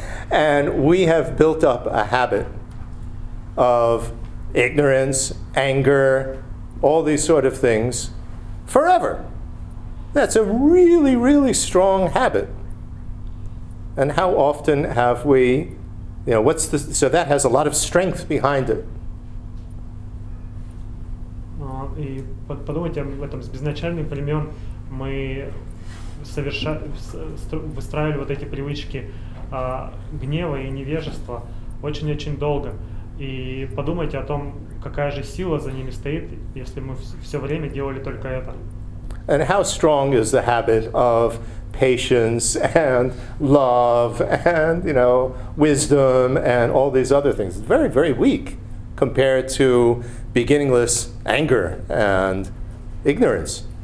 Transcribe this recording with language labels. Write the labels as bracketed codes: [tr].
[en] And we have built up a habit of ignorance, anger, all these sort of things forever. That's a really, really strong habit. And how often have we, you know, what's the, so that has a lot of strength behind it. [ru] И подумайте об этом, с безначальных времен мы выстраивали вот эти привычки гнева и невежества очень-очень долго. И подумайте о том, какая же сила за ними стоит, если мы все время делали только это. [en] And how strong is the habit of patience and love and, you know, wisdom and all these other things? Very, very weak compared to beginningless anger and ignorance.